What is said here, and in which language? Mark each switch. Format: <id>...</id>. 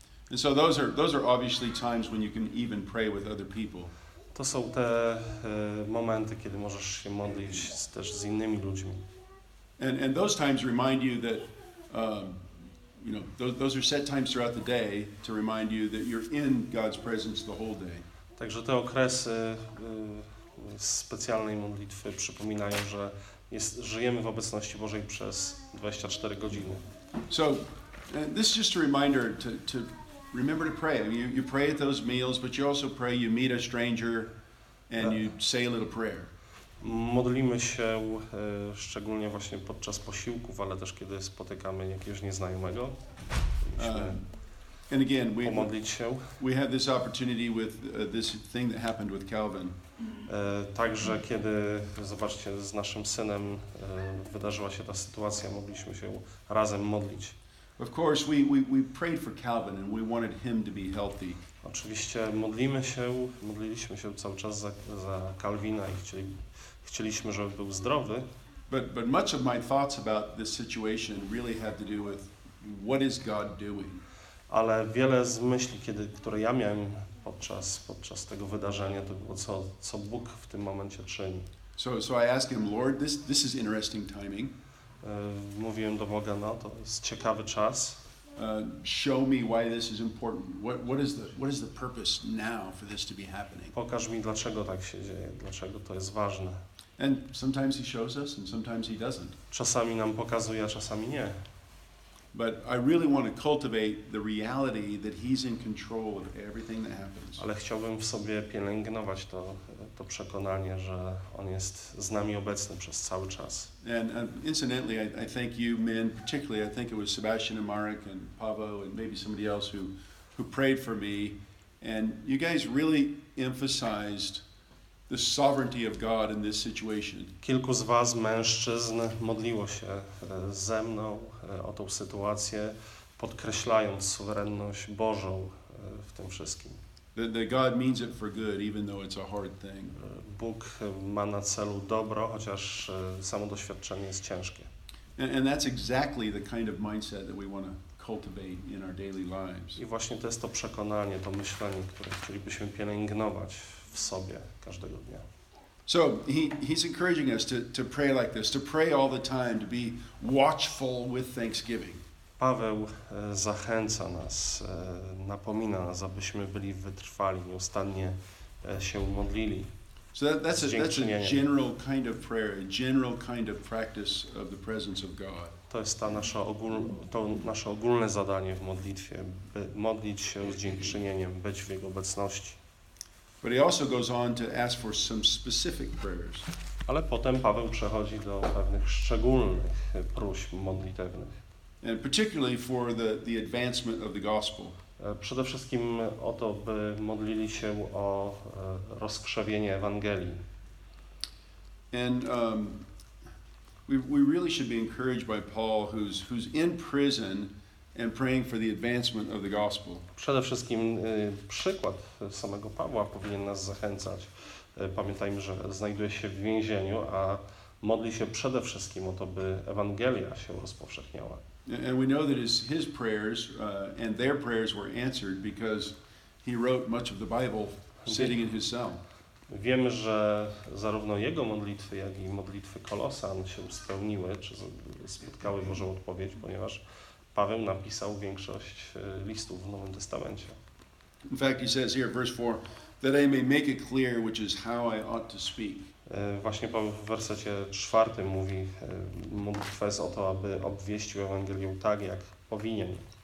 <en>And so those are obviously times when you can even pray with other people.</en> <pl>To są te momenty, kiedy możesz się modlić też z innymi ludźmi.</pl> <en>And those times remind you that you know, those are set times throughout the day to remind you that you're in God's presence the whole day.</en> <pl>Także te okresy specjalnej modlitwy przypominają, że żyjemy w obecności Bożej przez 24 godziny.</pl> <en>So, this is just a reminder to remember to pray. You pray at those meals, but you also pray, you meet a stranger and you say a little prayer.</en> <pl>Modlimy się szczególnie właśnie podczas posiłków, ale też kiedy spotykamy jakiegoś nieznajomego.</pl> <en>And again, we have this opportunity with this thing that happened with Calvin.</en> <pl>Także kiedy, zobaczcie, z naszym synem wydarzyła się ta sytuacja, mogliśmy się razem modlić.</pl> <en>Of course, we prayed for Calvin and we wanted him to be healthy.</en> <pl>Oczywiście modliliśmy się cały czas za Calvina i chcieliśmy, żeby był zdrowy.</pl> <en>But much of my thoughts about this situation really had to do with what is God doing.</en> <pl>Ale wiele z myśli, które ja miałem podczas tego wydarzenia, to było co Bóg w tym momencie czyni.</pl> <en>So I asked him, Lord, this is interesting timing.</en> <pl>Mówiłem do Boga, to jest ciekawy czas.</pl> <en>Show me why this is important. What is the purpose now for this to be happening?</en> <pl>Pokaż mi, dlaczego tak się dzieje, dlaczego to jest ważne.</pl> <en>And sometimes he shows us and sometimes he doesn't.</en> <pl>Czasami nam pokazuje, a czasami nie.</pl> <en>But I really want to cultivate the reality that he's in control of everything that happens.</en> <pl>Ale chciałbym w sobie pielęgnować to przekonanie, że on jest z nami obecny przez cały czas.</pl> <en>And incidentally, I thank you men, particularly I think it was Sebastian and Marek and Pavo and maybe somebody else who prayed for me, and you guys really emphasized the sovereignty of God in this situation.</en> <pl>Kilku z was mężczyzn modliło się ze mną o tą sytuację, podkreślając suwerenność Bożą w tym wszystkim.</pl> <en>That God means it for good, even though it's a hard thing.</en> <pl>Bóg ma na celu dobro, chociaż samo doświadczenie jest ciężkie.</pl> <en>And that's exactly the kind of mindset that we want to cultivate in our daily lives.</en> <pl>I właśnie to jest to przekonanie, to myślenie, które chcielibyśmy pielęgnować w sobie każdego dnia.</pl> <en>So he's encouraging us to pray like this, to pray all the time, to be watchful with thanksgiving.</en> <pl>Paweł zachęca nas, napomina nas, abyśmy byli wytrwali, nieustannie się modlili.</pl> <en>So that's a general kind of prayer, a general kind of practice of the presence of God.</en> <pl>To jest nasze ogólne zadanie w modlitwie, modlić się z dziękczynieniem, być w jego obecności.</pl> <en>But he also goes on to ask for some specific prayers.</en> <pl>Ale potem Paweł przechodzi do pewnych szczególnych próśb modlitewnych.</pl> <en>And particularly for the advancement of the gospel.</en> <pl>Przede wszystkim o to, by modlili się o rozkrzewienie Ewangelii.</pl> <en>And we really should be encouraged by Paul, who's in prison and praying for the advancement of the gospel.</en> <pl>Przede wszystkim przykład samego Pawła powinien nas zachęcać. Pamiętajmy, że znajduje się w więzieniu, a modli się przede wszystkim o to, by Ewangelia się rozpowszechniała.</pl> <en>And we know that his prayers and their prayers were answered because he wrote much of the Bible sitting in his cell.</en> <pl>Wiemy, że zarówno jego modlitwy, jak i modlitwy Kolosan się spełniły, czy spotkały Bożą odpowiedź, ponieważ Paweł napisał większość listów w Nowym Testamencie.</pl> <en>In fact, he says here, verse 4, that I may make it clear, which is how I ought to speak.</en> <pl>Właśnie Paweł w wersecie 4 mówi, modlitwa jest o to, aby obwieścił Ewangelię tak, jak powinien.</pl>